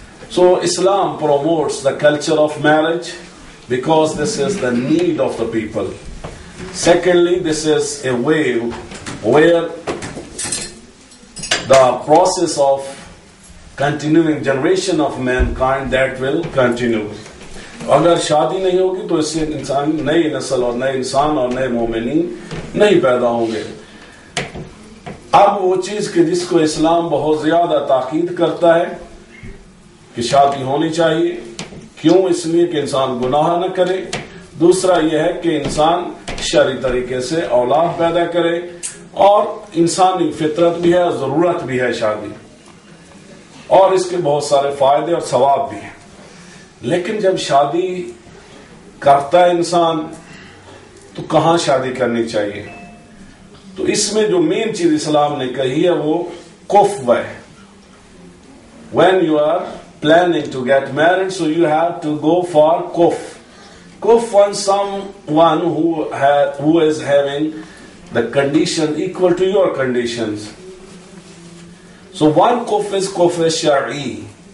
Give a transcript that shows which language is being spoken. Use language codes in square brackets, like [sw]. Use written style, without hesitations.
[en] So Islam promotes the culture of marriage because this is the need of the people. Secondly, this is a way where the process of continuing generation of mankind that will continue. [ur] اگر شادی نہیں ہوگی تو اس سے انسان نئی نسل اور نئے انسان اور نئے مومنین نہیں پیدا ہوں گے. اب وہ چیز کہ جس کو اسلام بہت زیادہ تاکید کرتا ہے کہ شادی ہونی چاہیے. کیوں؟ اس لیے کہ انسان گناہ نہ کرے. دوسرا یہ ہے کہ انسان شرعی طریقے سے اولاد پیدا کرے. اور انسانی فطرت بھی ہے، ضرورت بھی ہے شادی، اور اس کے بہت سارے فائدے اور ثواب بھی ہیں. لیکن جب شادی کرتا ہے انسان تو کہاں شادی کرنی چاہیے؟ تو اس میں جو مین چیز اسلام نے کہی ہے وہ کفو ہے. [en] When you are planning to get married, so you have to go for kuf. Kuf on someone who is having the condition equal to your conditions. So one kuf is kuf shari.